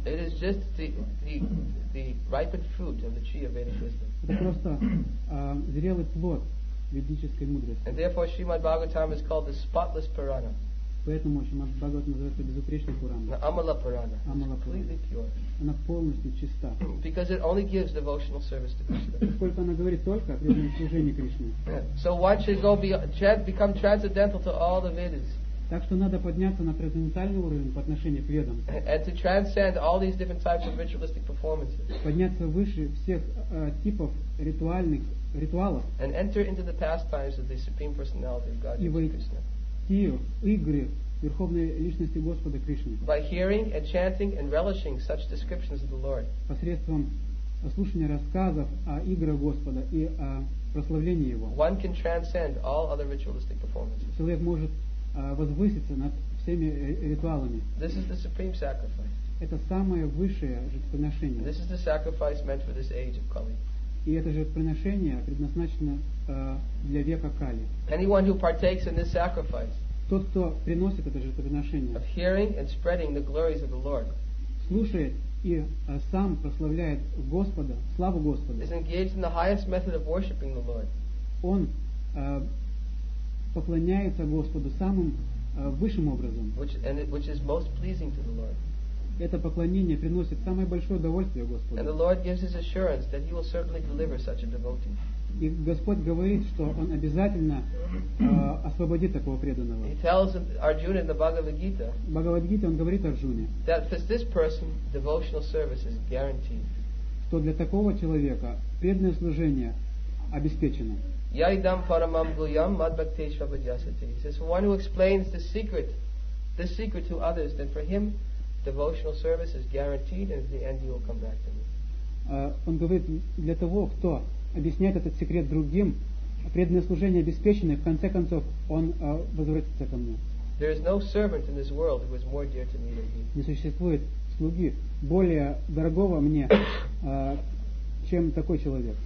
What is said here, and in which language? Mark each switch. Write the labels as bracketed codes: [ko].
[en] It is just the ripened fruit of the tree of Vedic wisdom. [ru] Это просто зрелый плод ведической мудрости. [en] And therefore Srimad Bhagavatam is called the spotless Purana. [ru] Поэтому Шримад Бхагаватам называется безупречной Пураной. [en] The Amala Purana. Amala Purana. [ru] Она полностью чиста. [en] Because it only gives devotional service to Krishna. [ru] Поскольку она говорит только о преданном служении Кришне. [en] So one should go become transcendental to all the Vedas. [ru] Так что надо подняться на трансцендентальный уровень по отношению к ведам. [en] And to transcend all these different types of ritualistic performances. [ru] Подняться выше всех типов ритуальных ритуалов. [en] And enter into the pastimes of the Supreme Personality of Godhead Krishna. [ru] Игры Верховной Личности Господа Кришны. [en] By hearing and chanting and relishing such descriptions of the Lord. [ru] Посредством слушания рассказов о играх Господа и о прославлении Его. [en] One can transcend all other ritualistic performances. [ru] Человек может возвыситься над всеми ритуалами. [en] This is the supreme sacrifice. [ru] Это самое высшее жертвоприношение. [en] This is the sacrifice meant for this age of Kali. [ru] И это жертвоприношение предназначено для века Кали. [en] Anyone who partakes in this sacrifice. [ru] Тот, кто приносит это жертвоприношение. [en] Of hearing and spreading the glories of the Lord. [ru] Слушает и сам прославляет Господа, славу Господа. [en] Is engaged in the highest method of worshiping the Lord. [ru] Он поклоняется Господу самым высшим образом. [en] Which is most pleasing to the Lord. [ru] Это поклонение приносит самое большое удовольствие Господу. [en] And the Lord gives his assurance that he will certainly deliver such a devotee. [ru] И Господь говорит, что он обязательно освободит такого преданного. [en] He tells Arjuna in the Bhagavad Gita. [ru] Bhagavad Gita он говорит Арджуне. [en] That for this person devotional service is guaranteed. [ru] Что для такого человека преданное служение обеспечено. [sa] Yaidam paramam guyam madbhaktesh vabhajasati. [en] He says, one who explains the secret to others, then for him devotional service is guaranteed, and at the end he will come back to me. [ru] Он говорит, для того, кто объясняет этот секрет другим, преданное служение обеспечено, и в конце концов он возвратится ко мне. [en] There is no servant in this world who is more dear to me than he. [ru] Не существует слуги более дорогого мне, чем такой человек.